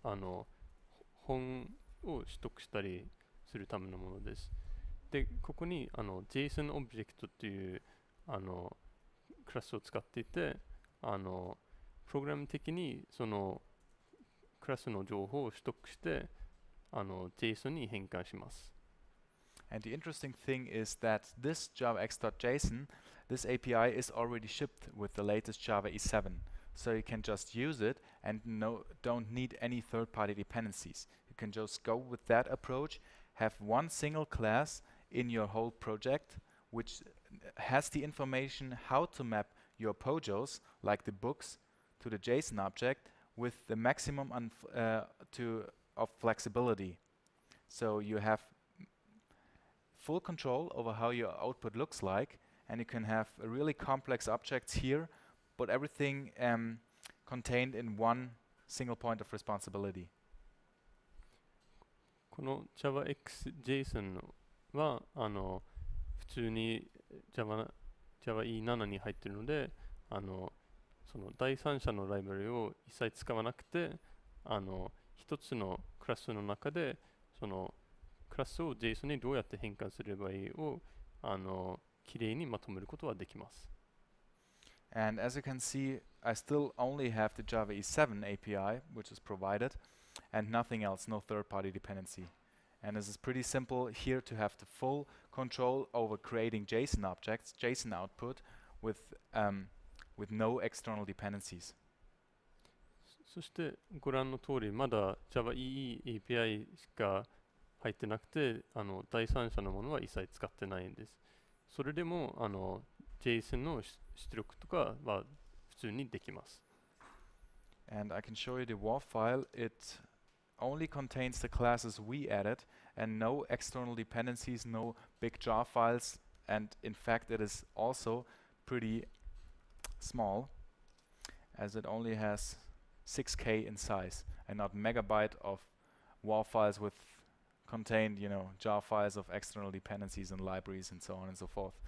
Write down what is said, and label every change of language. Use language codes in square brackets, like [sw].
[ja] あの本を取得したりするためのものです。で、ここにあの JSON オブジェクトというあのクラスを使っていて、あのプログラム的にそのクラスの情報を取得してあの JSON に変換します。 [en] And the interesting thing is that this JavaX.json, this API is already shipped with the latest Java E7, so you can just use it and no don't need any third-party dependencies. You can just go with that approach, have one single class in your whole project, which has the information how to map your POJOs, like the books, to the JSON object with the maximum of flexibility. So you have full control over how your output looks like, and you can have really complex objects here, but everything contained in one single point of responsibility. [ja] この Java X JSON はあの普通に Java E7 に入っているので、あのその第三者のライブラリを一切使わなくて、あの一つのクラスの中でそのクラスを JSON にどうやって変換すればいいをあのきれいにまとめることはできます。 [en] And as you can see, I still only have the Java E7 API, which is provided, and nothing else, no third-party dependency. And this is pretty simple here to have the full control over creating JSON objects, JSON output, with no external dependencies. [ja] そしてご覧の通り、まだ Java EE API しか入ってなくて、あの第三者のものは一切使ってないんです。それでもあの JSON の出力とかは普通にできます。 [en] And I can show you the WAR file. It only contains the classes we added and no external dependencies, no big jar files, and in fact it is also pretty small as it only has 6k in size and not megabyte of WAR files with contained, you know, jar files of external dependencies and libraries and so on and so forth.